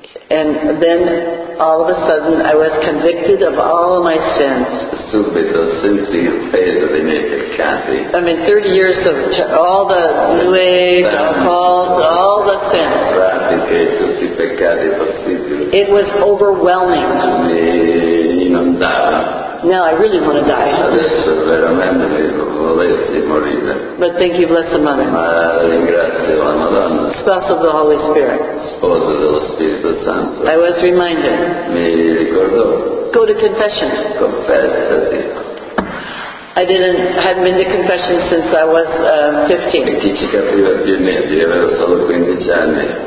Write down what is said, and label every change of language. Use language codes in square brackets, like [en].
[en] And then all of a sudden I was convicted of all of my sins. [it] Subito senti il peso dei miei peccati. [en] I mean 30 years of all the new age, all the sins. [it] Pratiche tutti i peccati possibili. [en] It was overwhelming. [it] Mi inondava. [en] Now I really want to die. [it] Adesso veramente mi volessi morire. [en] But thank you, blessed Mother. [it] Ma ringrazio la Madonna. [en] Spouse of the Holy Spirit. [it] Sposa dello Spirito Santo. [en] I was reminded. [it] Mi ricordò. [en] Go to confession. [it] Confessati. [en] I hadn't been to confession since I was 15. [it] E chi ci capiva più di me, io avevo solo 15 anni.